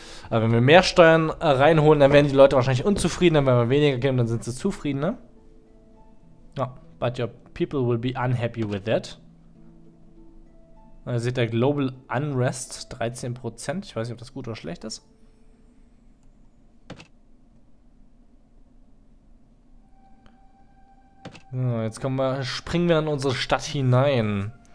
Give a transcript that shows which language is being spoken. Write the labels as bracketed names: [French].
[German] Wenn wir mehr Steuern reinholen, dann werden die Leute wahrscheinlich unzufrieden. Dann, wenn wir weniger geben, dann sind sie zufrieden, ne? [English] Ja, oh, but your people will be unhappy with that. [German] Ihr seht, der Global Unrest 13%. Ich weiß nicht, ob das gut oder schlecht ist. So, jetzt kommen wir, springen wir in unsere Stadt hinein.